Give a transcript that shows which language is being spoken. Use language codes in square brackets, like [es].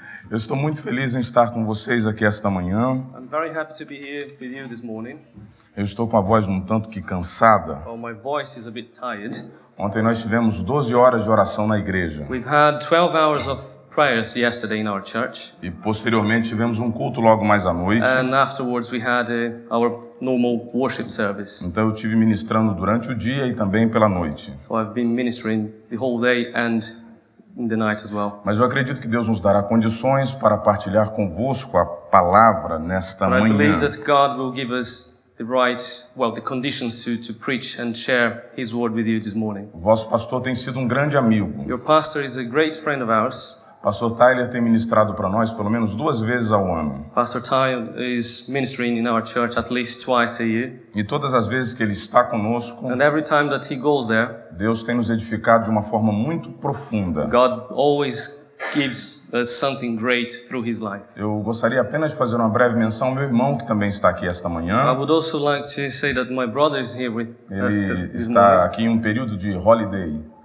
[pt] Eu estou muito feliz em estar com vocês aqui esta manhã. [en] I'm very happy to be here with you this morning. [pt] Eu estou com a voz um tanto que cansada. [en] Well, my voice is a bit tired. [pt] Ontem nós tivemos 12 horas de oração na igreja. [en] We've had 12 hours of prayers yesterday in our church. [pt] E posteriormente tivemos um culto logo mais à noite. [en] And afterwards we had our normal worship service. [pt] Então eu tive ministrando durante o dia e também pela noite. [en] So I've been ministering the whole day and in the night as well. [pt] Mas eu acredito que Deus nos dará condições para partilhar convosco a palavra nesta manhã. [en] I believe that God will give us the right, well, the conditions to preach and share His word with you this morning. [pt] Vosso pastor tem sido um grande amigo. [en] Your pastor is a great friend of ours. [pt] Pastor Tyler tem ministrado para nós pelo menos duas vezes ao ano. [en] Pastor Tyler is ministering in our church at least twice a year. [pt] E todas as vezes que ele está conosco, [en] and every time that he goes there, [pt] Deus tem nos edificado de uma forma muito profunda. [en] God always gives us something great through his life. [pt] Eu gostaria apenas de fazer uma breve menção ao meu irmão que também está aqui esta manhã. [en] I would also like to say that my brother is here with us. [pt] Ele está aqui em um período de holiday.